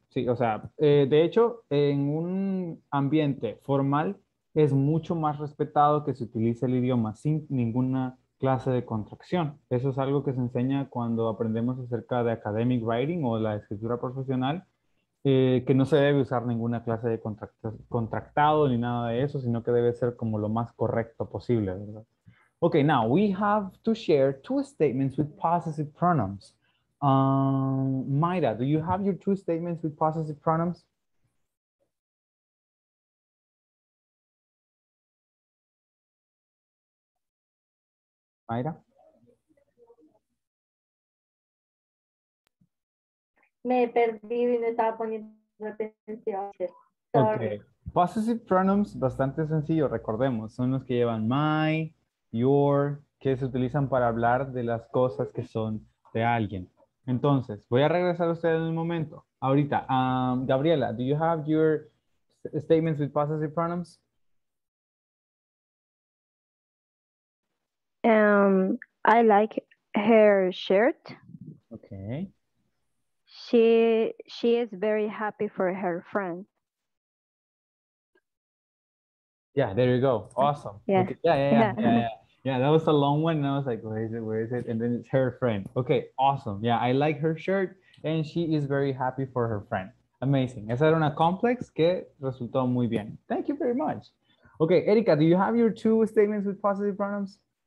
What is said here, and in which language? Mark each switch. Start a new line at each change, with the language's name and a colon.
Spanish: Sí, o sea, de hecho, en un ambiente formal es mucho más respetado que se utilice el idioma sin ninguna clase de contracción. Eso es algo que se enseña cuando aprendemos acerca de
English: academic writing
Spanish: o la escritura profesional, que no se debe usar ninguna clase de contractado ni nada de eso, sino que debe ser como lo más correcto posible, ¿verdad?
English: Okay, now we have to share two statements with possessive pronouns. Mayra, do you have your two statements with possessive pronouns? Mayra?
Spanish: Me perdí y no estaba poniendo atención. Okay.
English: Possessive pronouns,
Spanish: bastante sencillo, recordemos. Son los que llevan my, your, que se utilizan para hablar de las cosas que son de alguien. Entonces, voy a regresar a ustedes en un momento. Ahorita,
English: Gabriela, do you have your statements with possessive pronouns? I like her shirt. Okay. She is very happy for her friend. Yeah, there you go. Awesome. Yeah. Okay. Yeah, that was a long one. And I was like, where is it? And then it's her friend. Okay, awesome. Yeah, I like her shirt and she is very happy for her friend. Amazing.
Spanish: Esa era una complex que resultó muy bien.
English: Thank you very much. Okay, Erika, do you have your two statements with positive pronouns?